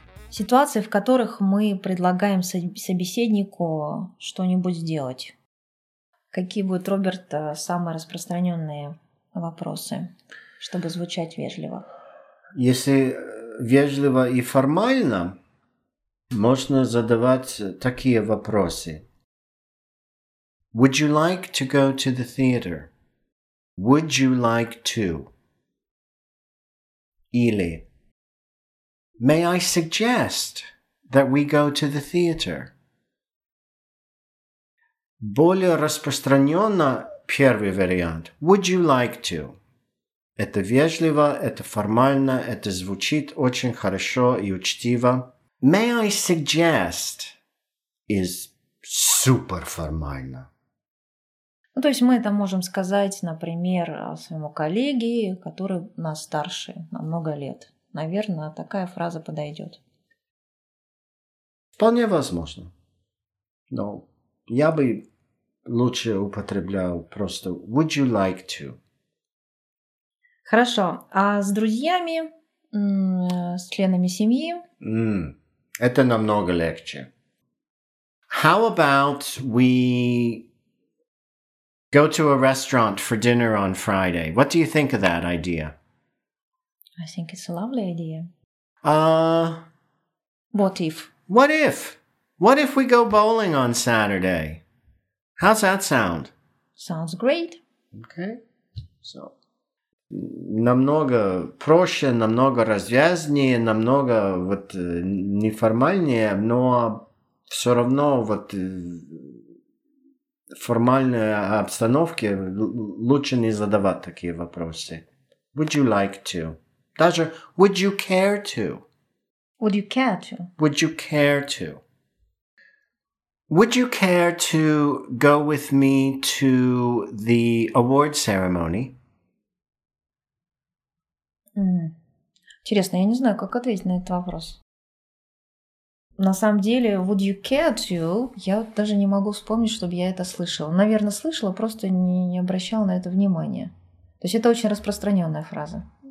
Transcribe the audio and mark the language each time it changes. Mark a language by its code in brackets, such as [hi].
[ru] Ситуации, в которых мы предлагаем собеседнику что-нибудь сделать. Какие будут, Роберт, самые распространенные вопросы, чтобы звучать вежливо? Если вежливо и формально, можно задавать такие вопросы. [en] Would you like to go to the theater? Would you like to? [ru] Или [en] may I suggest that we go to the theater? [ru] Более распространенно первый вариант. [en] Would you like to? [ru] Это вежливо, это формально, это звучит очень хорошо и учтиво. [en] May I suggest is super [ru] формально. Ну, то есть мы это можем сказать, например, своему коллеге, который нас старше на много лет. Наверное, такая фраза подойдет. Вполне возможно. Но я бы лучше употреблял просто [en] would you like to? [ru] Хорошо. А с друзьями, с членами семьи? Это намного легче. [en] How about we go to a restaurant for dinner on Friday? What do you think of that idea? I think it's a lovely idea. What if? What if? What if we go bowling on Saturday? How's that sound? Sounds great. Okay. [ru] So, намного проще, намного развязнее, намного вот неформальнее, но все равно вот формальной обстановке лучше не задавать такие вопросы. [en] Would you like to? [ru] Даже [en] would you care to? Would you care to? Would you care to? Would you care to go with me to the award ceremony? [ru] Интересно, я не знаю, как ответить на этот вопрос. На самом деле, [en] would you care to, [ru] я даже не могу вспомнить, чтобы я это слышала. Наверное, слышала, просто не обращала на это внимания. То есть это очень распространенная фраза.